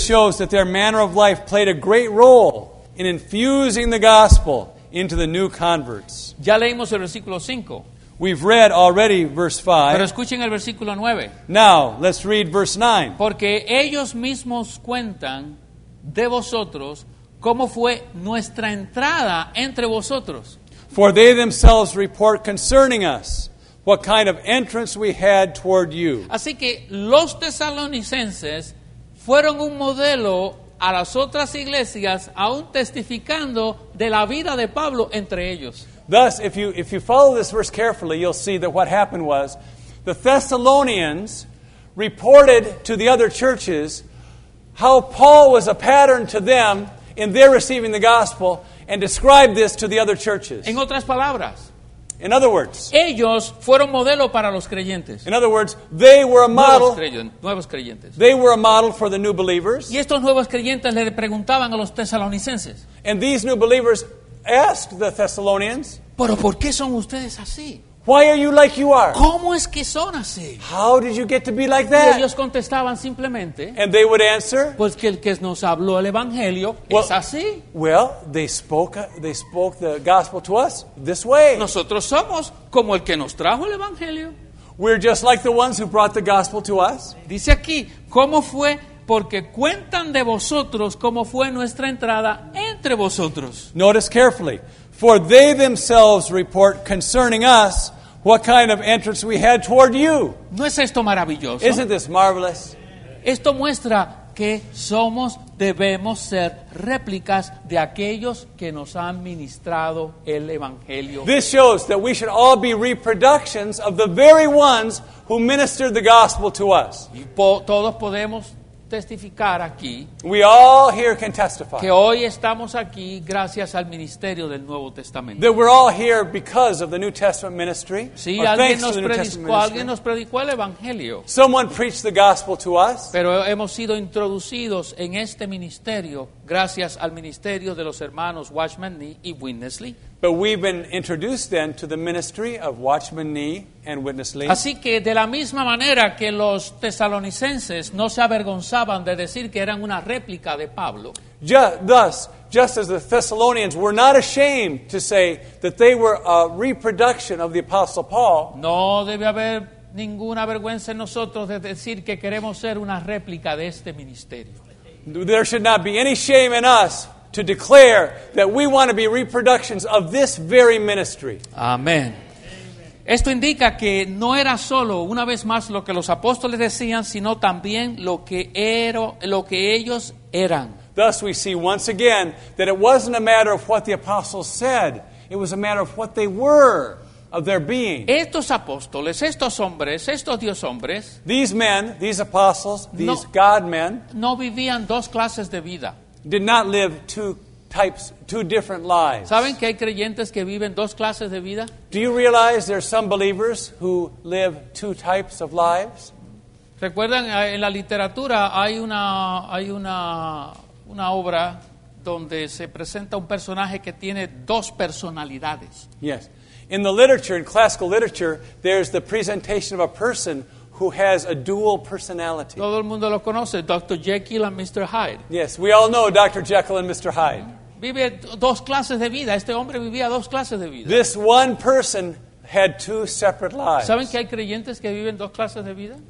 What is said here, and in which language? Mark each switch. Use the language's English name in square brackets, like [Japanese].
[English] This shows that their manner of life played a great role in infusing the gospel into the new converts. [Spanish] Ya leímos el versículo 5. [English] We've read already verse 5. [Spanish] Pero escuchen el versículo 9. [English] Now, let's read verse 9. [Spanish] Porque ellos mismos cuentan de vosotros cómo fue nuestra entrada entre vosotros. [English] For they themselves report concerning us what kind of entrance we had toward you. [Spanish] Así que los tesalonicenses fueron un modelo a las otras iglesias, aún testificando de la vida de Pablo entre ellos. [English] Thus, if you follow this verse carefully, you'll see that what happened was the Thessalonians reported to the other churches how Paul was a pattern to them in their receiving the gospel and described this to the other churches. [Spanish] En otras palabras, [English] in other words, [Spanish] ellos fueron modelo para los creyentes. [English] In other words, they were a model. [Spanish] Nuevos creyentes. [English] They were a model for the new believers. [Spanish] Y estos nuevos creyentes le preguntaban a los tesalonicenses. [English] And these new believers asked the Thessalonians, [Spanish] ¿pero por qué son ustedes así? [English] Why are you like you are? [Spanish] ¿Cómo es que son así? [English] How did you get to be like that? [Spanish] Y ellos contestaban simplemente, [English] and they would answer, [Spanish] pues que el que nos habló el evangelio es así. [English] Well, they spoke the gospel to us this way. [Spanish] Nosotros somos como el que nos trajo el evangelio. [English] We're just like the ones who brought the gospel to us. [Spanish] Dice aquí, ¿cómo fue? Porque cuentan de vosotros cómo fue nuestra entrada entre vosotros. [English] Notice carefully. For they themselves report concerning us what kind of entrance we had toward you. [Spanish] ¿No es esto maravilloso? [English] Isn't this marvelous? [Spanish] Esto muestra que somos, debemos ser réplicas de aquellos que nos han ministrado el evangelio. [English] This shows that we should all be reproductions of the very ones who ministered the gospel to us. [Spanish] Y todos podemos testificar aquí. [English] We all here can testify. [Spanish] Que hoy estamos aquí gracias al ministerio del Nuevo Testamento. [English] That we're all here because of the New Testament ministry. [Spanish] Sí, alguien nos predicó el evangelio. [English] Someone preached the gospel to us. [Spanish] Pero hemos sido introducidos en este ministerio gracias al ministerio de los hermanos Watchman Nee y Witness Lee. [English] But we've been introduced then to the ministry of Watchman Nee and Witness Lee. [Spanish] Así que de la misma manera que los tesalonicenses no se avergonzaban de decir que eran una réplica de Pablo. [English] Just as the Thessalonians were not ashamed to say that they were a reproduction of the Apostle Paul. [Spanish] No debe haber ninguna vergüenza en nosotros de decir que queremos ser una réplica de este ministerio. [English] There should not be any shame in us to declare that we want to be reproductions of this very ministry. Amen. [Spanish] Esto indica que no era solo una vez más lo que los apóstoles decían, sino también lo que ellos eran. [English] Thus we see once again that it wasn't a matter of what the apostles said, it was a matter of what they were, of their being. [Spanish] Estos apóstoles, estos hombres, estos dios hombres, [English] these men, these apostles, these God men, [Spanish] no vivían dos clases de vida. [English] Did not live two different lives. [Spanish] ¿Saben que hay creyentes que viven dos clases de vida? [English] Do you realize there are some believers who live two types of lives? [Spanish] ¿Recuerdan en la literatura hay una obra donde se presenta un personaje que tiene dos personalidades? [English] Yes. In the literature, in classical literature, there's the presentation of a person who has a dual personality. [Spanish] Todo el mundo lo conoce, Dr. Jekyll and Mr. Hyde. [English] Yes, we all know Dr. Jekyll and Mr. Hyde. [Spanish] Vive dos clases de vida. Este hombre vivía dos clases de vida. [English] This one person had two separate lives. [Spanish] ¿Saben que hay creyentes que viven dos clases de vida?